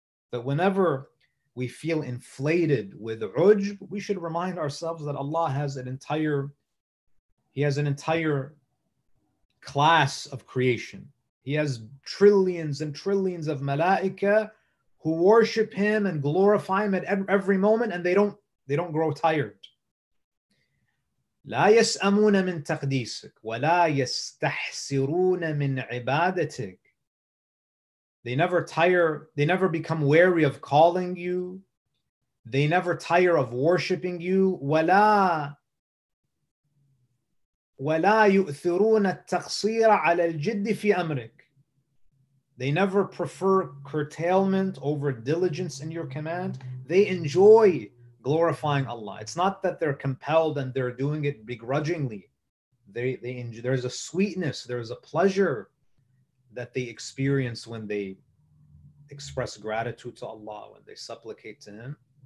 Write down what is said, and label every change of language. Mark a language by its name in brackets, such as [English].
[English] But whenever we feel inflated with ujb, we should remind ourselves that Allah has an entire, He has an entire class of creation. He has trillions and trillions of malaika who worship Him and glorify Him at every moment, and they don't grow tired. [Arabic] لا يسأمون من تقديسك ولا يستحسرون من عبادتك. [English] They never tire, they never become weary of calling you. They never tire of worshiping you. [Arabic] ولا يؤثرون التقصير على الجد في أمرك. [English] They never prefer curtailment over diligence in your command. They enjoy glorifying Allah. It's not that they're compelled and they're doing it begrudgingly. There's a sweetness, there's a pleasure that they experience when they express gratitude to Allah, when they supplicate to Him.